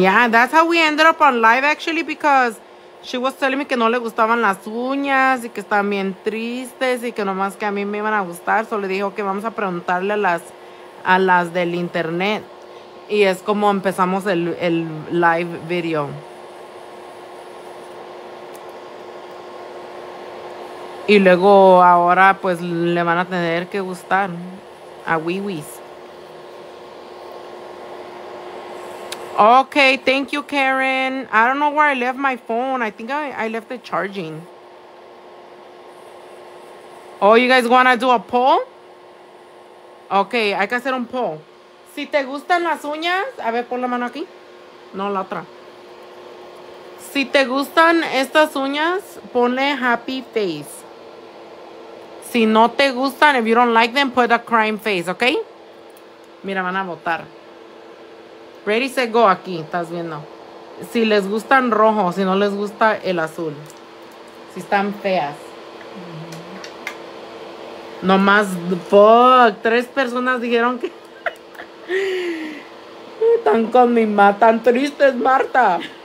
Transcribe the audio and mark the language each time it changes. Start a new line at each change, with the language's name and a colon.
English: Yeah, that's how we ended up on live, actually, because... She was telling me
Spanish: que no le gustaban las uñas y que estaban bien tristes y que nomás que a mí me iban a gustar. Solo le dijo que vamos a preguntarle a las del internet. Y es como empezamos el live video. Y luego ahora pues le van a tener que gustar a Wiwis.
English: Okay, thank you, Karen. I don't know where I left my phone. I think I left it charging. Oh, you guys want to do a poll?
Spanish: Okay, hay que hacer un poll. Si te gustan las uñas... A ver, pon la mano aquí. No, la otra. Si te gustan estas uñas, ponle
English: happy face.
Spanish: Si no te gustan,
English: if you don't like them, put a crying face, okay?
Spanish: Mira, van a votar.
English: Ready, set, go,
Spanish: aquí, estás viendo. Si les gustan rojo, si no les gusta el azul. Si están feas. Mm-hmm. Nomás, fuck, 3 personas dijeron que... están con mi ma, tan tristes, Marta.